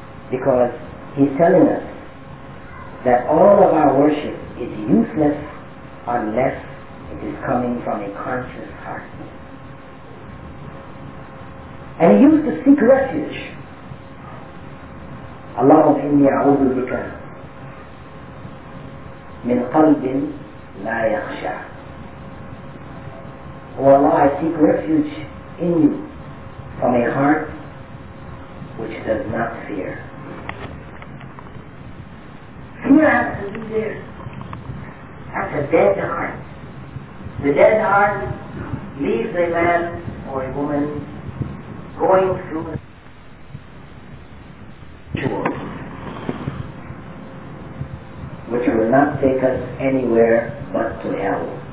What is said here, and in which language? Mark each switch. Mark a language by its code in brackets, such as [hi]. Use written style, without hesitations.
[en] Because he's telling us that all of our worship is useless unless it is coming from a conscious heart. And he used to seek refuge. [ar] اللهم إني أعوذ بك من قلب لا يخشى. [en] Oh Allah, I seek refuge in you from a heart which does not fear. Fear has to be there. That's a dead heart. The dead heart leaves a man or a woman going through which will not take us anywhere but to hell.